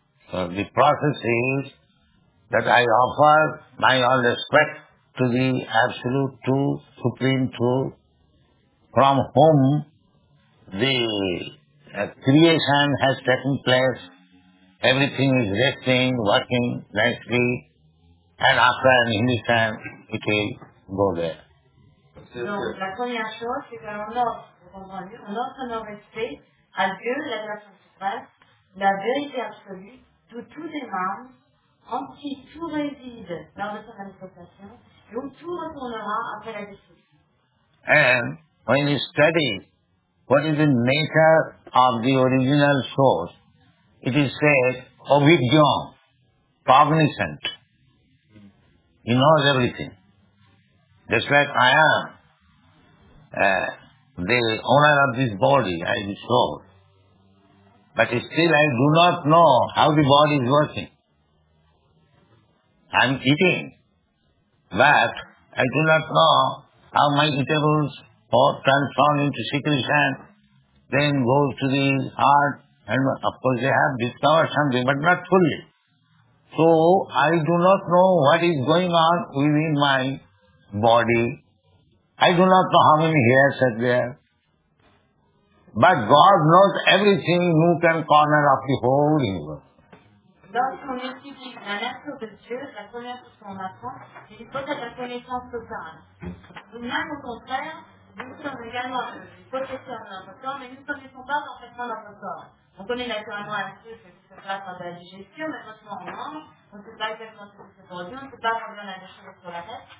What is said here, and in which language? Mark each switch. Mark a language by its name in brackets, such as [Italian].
[English] So the process is that I offer my all respect to the Absolute Truth, Supreme Truth, from whom the creation has taken place, everything is resting, working nicely, and after an instant, it will go there. [French] Donc, la première chose, c'est que l'on offre, vous comprenez, on offre nos respects à Dieu, la personne suprême, la vérité absolue de tous les âmes en qui tout réside dans votre manifestation et où tout retournera après la destruction. [English] And when you study what is the nature of the original source, it is said, avidyam, cognizant. He knows everything. Just like I am the owner of this body, I am soul. But still I do not know how the body is working. I'm eating, but I do not know how my eatables are transformed into secretion, then goes to the heart, and of course they have discovered something, but not fully. So I do not know what is going on within my body. I do not know how many hairs are there. But God knows everything, nook and corner of the whole universe. [French] Lorsqu'on étudie la nature de Dieu, la première chose qu'on apprend, c'est qu'il faut la connaissance totale. Nous-mêmes, au contraire, nous sommes également possesseurs de notre corps, mais nous ne connaissons pas parfaitement notre corps. On connaît naturellement la chose qui se passe dans la digestion, mais franchement, on mange, on ne sait pas exactement ce qui se produit, on ne sait pas combien on a des choses sur la tête.